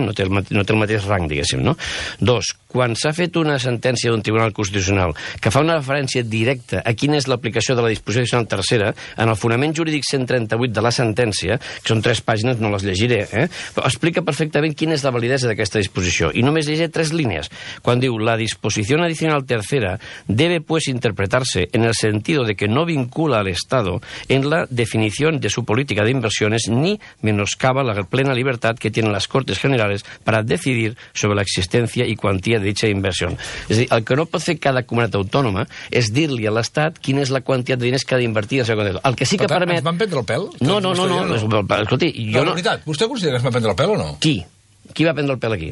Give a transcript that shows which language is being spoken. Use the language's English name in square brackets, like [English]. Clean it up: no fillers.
[Catalan] No té el mateix rang, diguéssim, no? Dos, quan s'ha fet una sentència d'un tribunal constitucional que fa una referència directa a quina és l'aplicació de la disposició addicional tercera, en el fonament jurídic 138 de la sentència, que són tres pàgines, no les llegiré, però explica perfectament quina és la validesa d'aquesta disposició. I només llegiré tres línies. Quan diu, [Spanish] la disposición adicional tercera debe pues interpretarse en el sentido de que no vincula al Estado en la definición de su política de inversiones ni menoscaba la plena libertad que tienen las Cortes Generales para decidir sobre la existencia y cuantía de dicha inversión. [Catalan] És a dir, el que no pot fer cada comunitat autònoma és dir-li a l'Estat quina és la quantitat de diners que ha d'invertir en la seva comunitat. El que sí que permet... El pèl? No. Escolti, jo no... La veritat, vostè considera que es va prendre el pèl o no? Qui? Qui va prendre el pèl aquí?